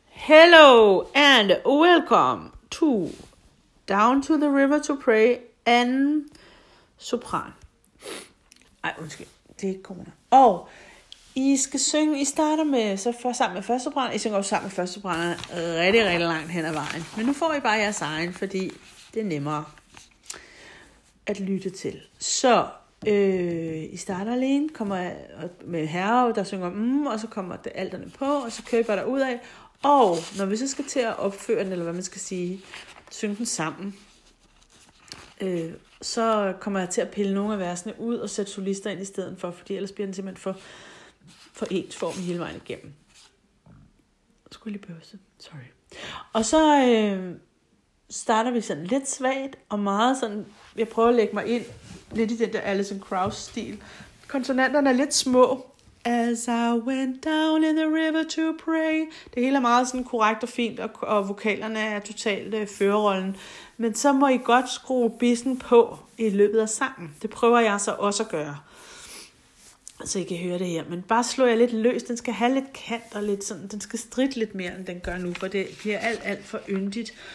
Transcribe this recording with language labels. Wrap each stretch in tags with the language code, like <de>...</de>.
<en>Hello and welcome to Down to the River to Pray and Sopran.</en> <da>Ej, undskyld, det er ikke corona. Og I skal synge, I starter med så for, sammen med første sopran. I synger også sammen med første sopran rigtig, rigtig langt hen ad vejen. Men nu får I bare jeres egen, fordi det er nemmere at lytte til. Så I starter alene, kommer med herre, der synger og så kommer det alterne på, og så kører I bare derudad. Og når vi så skal til at opføre den, eller hvad man skal sige, synge den sammen, så kommer jeg til at pille nogle af versene ud og sætte solister ind i stedet for, fordi ellers bliver den simpelthen for ens form hele vejen igennem. Jeg skulle lige bøse. Sorry. Og så starter vi sådan lidt svagt og meget sådan, jeg prøver at lægge mig ind lidt i den der Alison Krauss-stil. Konsonanterne er lidt små.</da> <en>As I went down in the river to pray.</en> <da>Det hele er meget sådan korrekt og fint, og vokalerne er totalt førerrollen. Men så må I godt skrue bissen på i løbet af sangen. Det prøver jeg så også at gøre, så I kan høre det her. Men bare slå jer lidt løs. Den skal have lidt kant og lidt sådan. Den skal stride lidt mere, end den gør nu, for det bliver alt for yndigt.</da>